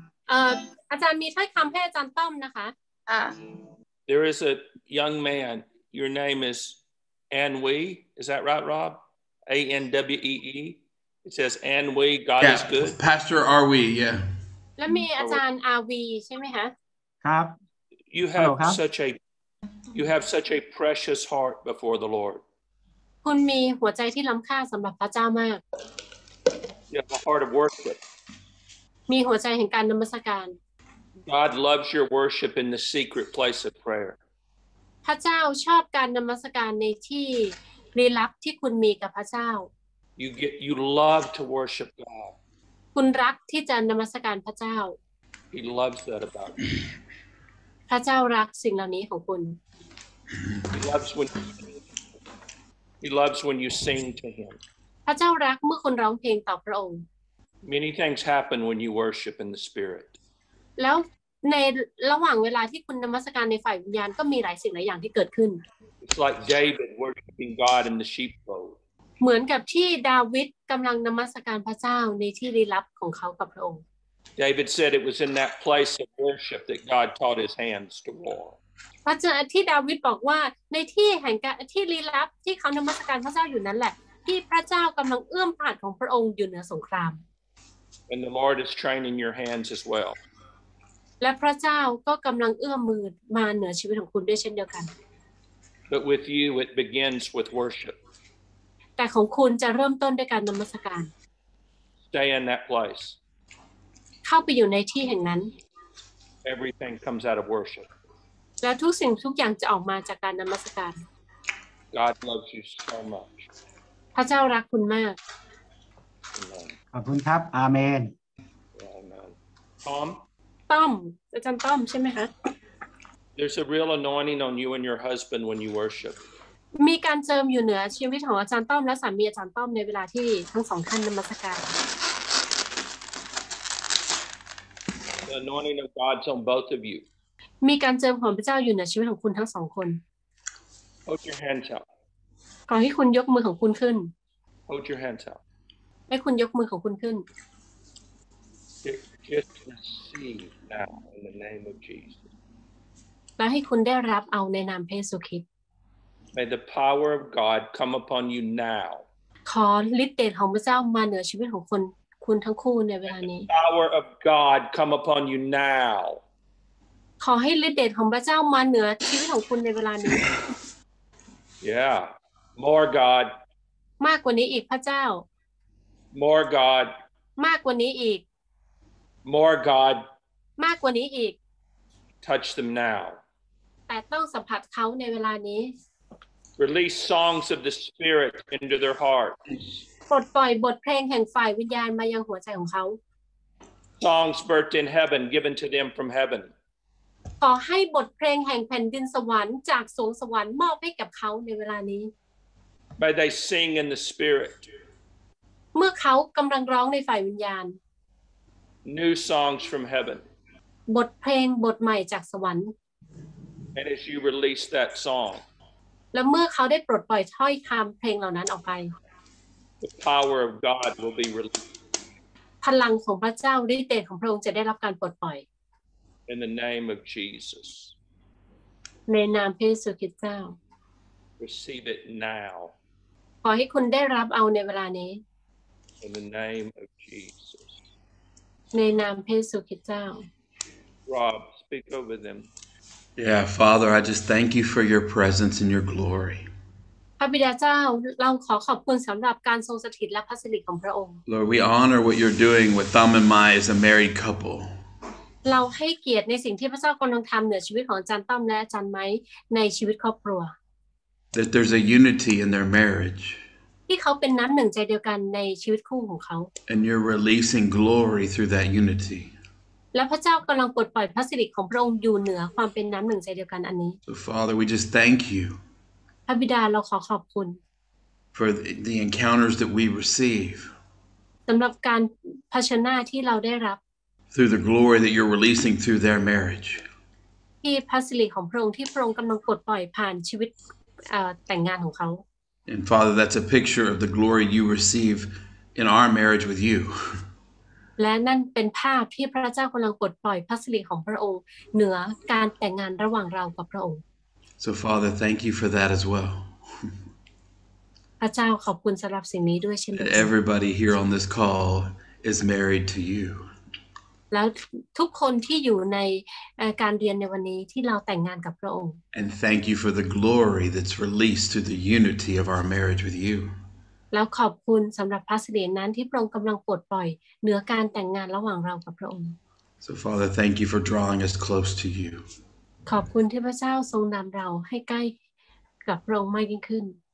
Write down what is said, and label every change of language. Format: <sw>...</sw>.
<th>อาจารย์มีถ้อยคำให้อาจารย์ต้อมนะคะ</th> <en>There is a young man. Your name is An Wei. Is that right, Rob? A N W E E. It says An Wei. God is good. Pastor Are We? Yeah.</en> <th>แล้วมีอาจารย์อาวีใช่ไหมคะ ครับ</th> <en>you have such a you have such a precious heart before the Lord</en> <th>คุณมีหัวใจที่ล้ำค่าสำหรับพระเจ้ามาก</th> <en>you have a heart of worship</en> <th>มีหัวใจแห่งการนมัสการ</th> <en>God loves your worship in the secret place of prayer</en> <th>พระเจ้าชอบการนมัสการในที่ลี้ลับที่คุณมีกับพระเจ้า</th> <en>you love to worship God</en> <th>คุณรักที่จะนมัสการพระเจ้า</th> <en>He loves that about you</en> <th>พระเจ้ารักสิ่งเหล่านี้ของคุณ</th> <en>He loves when you sing to him</en> <th>พระเจ้ารักเมื่อคุณร้องเพลงต่อพระองค์</th> <en>Many things happen when you worship in the spirit</en> <th>แล้วในระหว่างเวลาที่คุณนมัสการในฝ่ายวิญญาณก็มีหลายสิ่งหลายอย่างที่เกิดขึ้น</th> <en>It's like David worshiping God in the sheepfold</en> <th>เหมือนกับที่ดาวิดกำลังนมัสการพระเจ้าในที่ลี้ลับของเขากับพระองค์</th> <en>David said it was in that place of worship that God taught his hands to war.</en> <th>พระเจ้าที่ดาวิดบอกว่าในที่แห่งที่ลี้ลับที่เขานมัสการพระเจ้าอยู่นั้นแหละที่พระเจ้ากำลังเอื้อมผ่านของพระองค์อยู่เหนือสงคราม</th> <en>And the Lord is training your hands as well.</en> <th>และพระเจ้าก็กำลังเอื้อมมือมาเหนือชีวิตของคุณด้วยเช่นเดียวกัน</th> <en>But with you it begins with worship.</en> <th>แต่ของคุณจะเริ่มต้นด้วยการนมัสการ</th> <en>Stay in that place.</en> <th>เข้าไปอยู่ในที่แห่งนั้น</th> <en>Everything comes out of worship.</en> <th>แล้วทุกสิ่งทุกอย่างจะออกมาจากการนมัสการ</th> <en>God loves you so much.</en> <th>พระเจ้ารักคุณมาก ขอบคุณครับอาเมน</th> <en>Tom</en> <th>อาจารย์ต้อมใช่ไหมคะ</th> <en>There's a real anointing on you and your husband when you worship.</en> <th>มีการเจิมอยู่เหนือชีวิตของอาจารย์ต้อมและสามีอาจารย์ต้อมในเวลาที่ทั้งสองท่านนมัสการ</th> <en>The anointing of God's on both of you.</en> <th>มีการเจิมของพระเจ้าอยู่ในชีวิตของคุณทั้งสองคน</th> <en>Hold your hands up.</en> <th>ขอให้คุณยกมือของคุณขึ้น</th> <en>Hold your hands up.</en> <th>ให้คุณยกมือของคุณขึ้น</th> <en>Just receive now in the name of Jesus.</en> <th>และให้คุณได้รับเอาในนามพระเยซูคริสต์</th> <en>May the power of God come upon you now.</en> <th>ขอฤทธิ์เดชของพระเจ้ามาเหนือชีวิตของคุณคุณทั้งคู่ในเวลานี้</th> <en>The power of God come upon you now</en> <th>ขอให้ฤทธิ์เดชของพระเจ้ามาเหนือชีวิตของคุณในเวลานี้</th> <en>Yeah more God</en> <th>มากกว่านี้อีกพระเจ้า</th> <en>More God</en> <th>มากกว่านี้อีก</th> <en>More God</en> <th>มากกว่านี้อีก</th> <en>Touch them now</en> <th>แต่ต้องสัมผัสเขาในเวลานี้</th> <en>Release songs of the spirit into their hearts</en> <th>ปลดปล่อยบทเพลงแห่งฝ่ายวิญญาณมายังหัวใจของเขา</th> <en>Songs birthed in heaven given to them from heaven</en> <th>ขอให้บทเพลงแห่งแผ่นดินสวรรค์จากสวงสวรรค์มอบให้กับเขาในเวลานี้</th> <en>May they sing in the spirit</en> <th>เมื่อเขากำลังร้องในฝ่ายวิญญาณ</th> <en>New songs from heaven</en> <th>บทเพลงบทใหม่จากสวรรค์</th> <en>And as you release that song</en> <th>และเมื่อเขาได้ปลดปล่อยถ้อยคำเพลงเหล่านั้นออกไป</th> <en>The power of God will be released.</en> <th>พลังของพระเจ้าฤทธิ์เดชของพระองค์จะได้รับการปลดปล่อย</th> <en>In the name of Jesus.</en> <th>ในนามพระเยซูคริสต์เจ้า</th> <en>Receive it now.</en> <th>ขอให้คุณได้รับเอาในเวลานี้</th> <en>In the name of Jesus.</en> <th>ในนามพระเยซูคริสต์เจ้า</th> <en>Rob, speak over them. Yeah, Father, I just thank you for your presence and your glory.</en> <th>พระบิดาเจ้าเราขอขอบคุณสำหรับการทรงสถิตและพระสิริของพระองค์</th> <en>Lord we honor what you're doing with Thumb and Mai as a married couple</en> <th>เราให้เกียรติในสิ่งที่พระเจ้ากำลังทำเหนือชีวิตของอาจารย์ต้อมและอาจารย์ไม้ในชีวิตครอบครัว</th> <en>That there's a unity in their marriage</en> <th>ที่เขาเป็นน้ำหนึ่งใจเดียวกันในชีวิตคู่ของเขา</th> <en>And you're releasing glory through that unity</en> <th>และพระเจ้ากำลังปลดปล่อยพระสิริของพระองค์อยู่เหนือความเป็นน้ำหนึ่งใจเดียวกันอันนี้</th> <en>So Father we just thank you</en> <th>พระบิดาเราขอขอบคุณ</th> <en>for the encounters that we receive</en> <th>สำหรับการภาชนะที่เราได้รับ</th> <en>through the glory that you're releasing through their marriage</en> <th>ที่พระสิริของพระองค์ที่พระองค์กำลังปลดปล่อยผ่านชีวิตแต่งงานของเขา</th> <en>and Father that's a picture of the glory you receive in our marriage with you</en> <th>และนั่นเป็นภาพที่พระเจ้ากำลังปลดปล่อยพระสิริของพระองค์เหนือการแต่งงานระหว่างเรากับพระองค์</th> <en>So Father, thank you for that as well.</en> <th>พระเจ้าขอบคุณสำหรับสิ่งนี้ด้วยเช่นกัน</th> <en>Everybody here on this call is married to you.</en> <th>แล้วทุกคนที่อยู่ในการเรียนในวันนี้ที่เราแต่งงานกับพระองค์</th> <en>And thank you for the glory that's released through the unity of our marriage with you</en> <th>แล้วขอบคุณสำหรับพระสิรินั้นที่พระองค์กำลังปลดปล่อยเหนือการแต่งงานระหว่างเรากับพระองค์</th> <en>So Father thank you for drawing us close to you</en> <th>ขอบคุณที่พระเจ้าทรงนำเราให้ใกล้กับพระองค์มากยิ่งขึ้น</th>